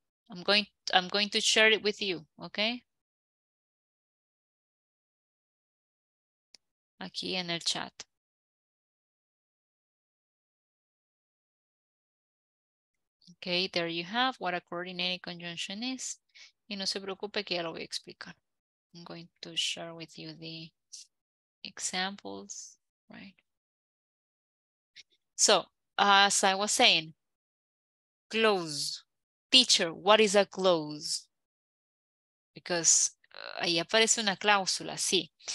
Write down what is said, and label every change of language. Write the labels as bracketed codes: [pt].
[en] I'm going to share it with you. Okay. [es] Aquí en el chat. [en] Okay, there you have what a coordinating conjunction is. [es] Y no se preocupe que ya lo voy a explicar. [en] I'm going to share with you the examples, right? So, as I was saying, clause. Teacher, what is a clause? Because [es] ahí aparece una cláusula, sí.